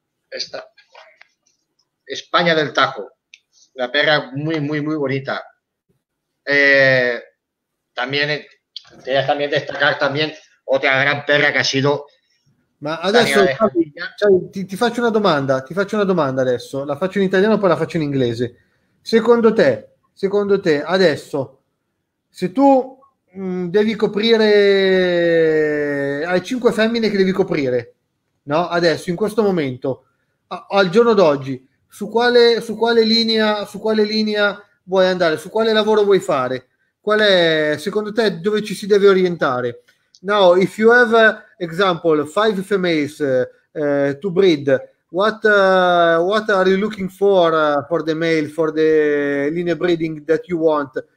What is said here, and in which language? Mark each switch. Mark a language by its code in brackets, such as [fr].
[es] Esta. España del Tajo. Una perra muy, muy, muy bonita. También quería también destacar también otra gran perra que ha sido. [it] Ma adesso ti faccio una domanda. Ti faccio una domanda adesso. La faccio in italiano, poi la faccio in inglese. Secondo te, adesso, se tu devi coprire, hai 5 femmine che devi coprire, no? Adesso, in questo momento, al giorno d'oggi, su quale linea vuoi andare? Su quale lavoro vuoi fare? Qual è, secondo te, dove ci si deve orientare? [en] Now, if you have, example, 5 females to breed, what are you looking for the male, for the line breeding that you want?